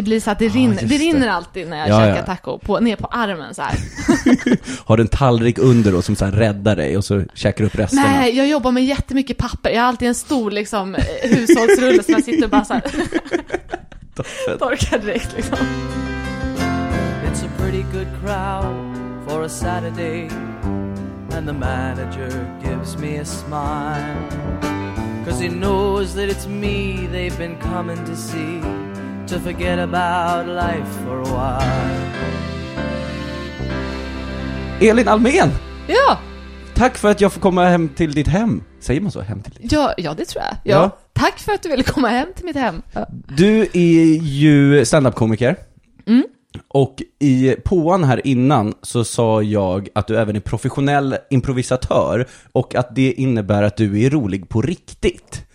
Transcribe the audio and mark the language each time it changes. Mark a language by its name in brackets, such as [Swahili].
[Swedish] Det blir så att det rinner, det rinner alltid när jag käkar taco på, ner på armen så här. Har du en tallrik under då som så här räddar dig och så käkar upp resten? Nej, jag jobbar med jättemycket papper. Jag har alltid en stor liksom hushållsrulle som jag sitter och bara så här torkar direkt liksom. [English] It's a pretty good crowd for a Saturday and the manager gives me a smile. Cause he knows that it's me they've been coming to see, to forget about life for a while. [Swedish] Elin Almén! Ja! Tack för att jag får komma hem till ditt hem. Säger man så, hem till ditt hem? Ja, det tror jag. Ja. Tack för att du ville komma hem till mitt hem. Ja. Du är ju stand-up-komiker. Mm. Och i påan här innan så sa jag att du även är professionell improvisatör och att det innebär att du är rolig på riktigt.